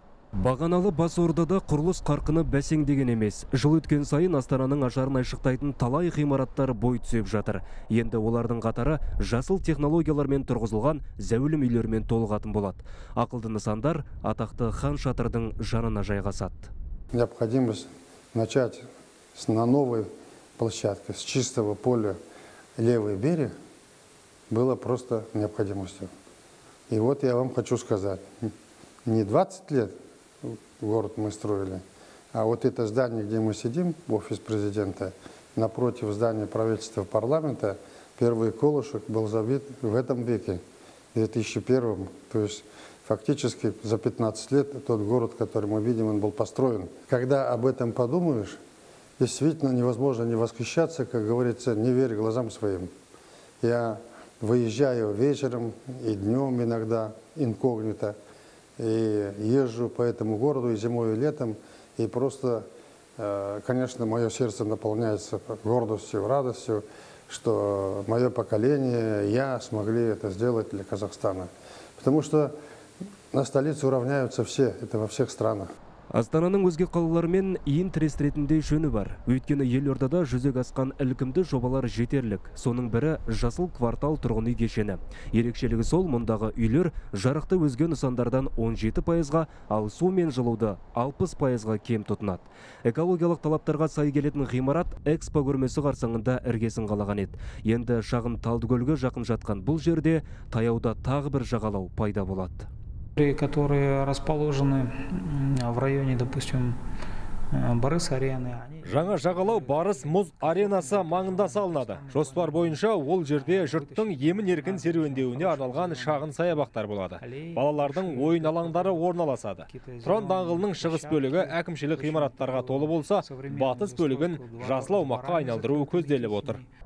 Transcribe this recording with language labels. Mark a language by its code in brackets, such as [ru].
[kk] Бағаналы бас ордада құрылыс қарқыны бәсеңдеген емес. Жыл өткен сайын Астананың ажарын айшықтайтын талай ғимараттар бой түсіп жатыр. Енді олардың қатары жасыл технологиялармен тұрғызылған зәулім үйлермен толығатын болады. Ақылды нысандар атақты хан шатырдың жанына жайғасады. [ru] Необходимость начать на новой площадке, с чистого поля левый берег, было просто необходимостью. И вот я вам хочу сказать, не 20 лет город мы строили, а вот это здание, где мы сидим, офис президента, напротив здания правительства парламента, первый колышек был забит в этом веке, в 2001-м. То есть фактически за 15 лет тот город, который мы видим, он был построен. Когда об этом подумаешь, действительно невозможно не восхищаться, как говорится, не верь глазам своим. Я выезжаю вечером и днем иногда инкогнито, и езжу по этому городу и зимой, и летом, и просто, конечно, мое сердце наполняется гордостью, радостью, что мое поколение, я смогли это сделать для Казахстана. Потому что на столицу уравняются все, это во всех странах. [kk] Астананың өзге қалалармен иін тірестіретіндей жөні бар. Өйткені елордада жүзеге асқан ілкімді жобалар жетерлік. Соның бірі жасыл квартал тұрғын үй кешені. Ерекшелігі сол, мұндағы үйлер жарықты өзге нысандардан 17%, ал су мен жылуды 60%-ға кем тұтынады. Экологиялық талаптарға сай келетін ғимарат экспо көрмесі қарсаңында іргесін қалаған еді. Енді шағын Талдыкөлге жақын жатқан бұл жерде таяуда тағы бір жағалау пайда болады. [ru] Которые расположены в районе, допустим, Барыс арены. [kk] Жаңа жағалау Барыс мұз аренасы маңында салынады. Жоспар бойынша ол жерде жұрттың емін-еркін серуендеуіне арналған шағын саябақтар болады. Балалардың ойын алаңдары орналасады. Тұран даңғылының шығыс бөлігі әкімшілік ғимараттарға толы болса, батыс бөлігін жасыл аумаққа айналдыру көзделіп отыр.